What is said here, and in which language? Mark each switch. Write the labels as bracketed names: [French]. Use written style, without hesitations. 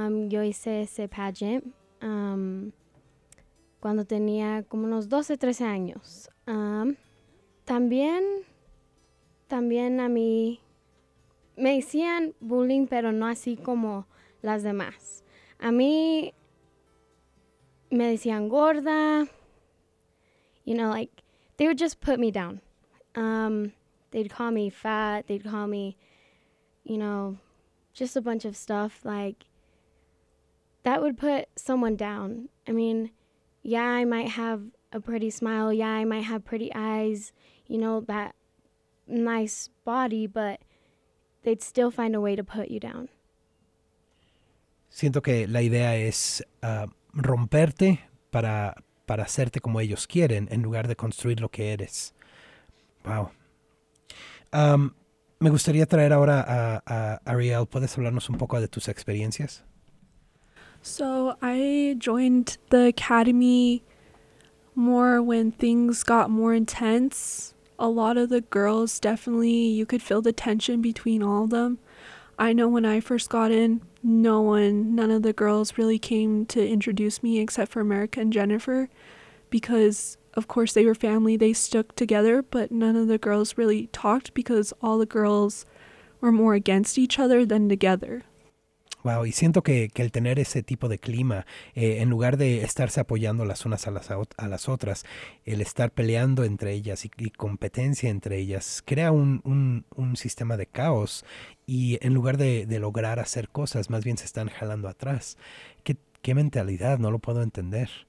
[Spanish] Yo hice ese pageant cuando tenía como unos 12, 13 años. También a mí me hacían bullying, pero no así como las demás. A mí me decían gorda, [English] you know, like, they would just put me down. They'd call me fat, they'd call me, you know, just a bunch of stuff, like, that would put someone down. I mean, yeah, I might have a pretty smile, yeah, I might have pretty eyes, you know, that nice body, but they'd still find a way to put you down. [Spanish] Siento que la idea es romperte para hacerte como ellos quieren, en lugar de construir lo que eres. Wow. Me gustaría traer ahora a Ariel. ¿Puedes hablarnos un poco de tus experiencias? [English] So I joined the academy more when things got more intense. A lot of the girls, definitely, you could feel the tension between all of them. I know when I first got in, none of the girls really came to introduce me except for America and Jennifer, because of course they were family, they stuck together, but none of the girls really talked because all the girls were more against each other than together. [Spanish] Wow, y siento que el tener ese tipo de clima, en lugar de estarse apoyando las unas a las otras, el estar peleando entre ellas y competencia entre ellas, crea un sistema de caos, y en lugar de lograr hacer cosas, más bien se están jalando atrás. ¿Qué mentalidad? No lo puedo entender.